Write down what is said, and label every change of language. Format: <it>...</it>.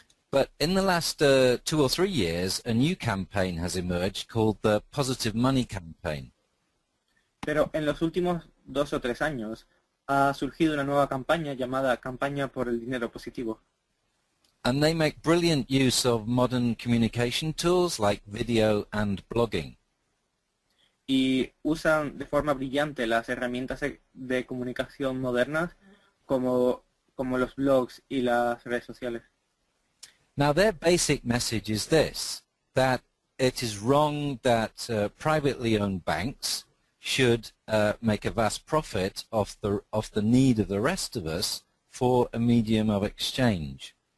<en>But in the last two or three years, a new campaign has emerged called the Positive Money Campaign.</en> <es>Pero en los últimos dos o tres años ha surgido una nueva campaña llamada Campaña por el Dinero Positivo.</es> <en>And they make brilliant use of modern communication tools like video and blogging.</en> <es>Y usan de forma brillante las herramientas de comunicación modernas como los blogs y las redes sociales.</es> <en>Now their basic message is this, that it is wrong that privately owned banks should make a vast profit off the need of the rest of us for a medium of exchange.</en>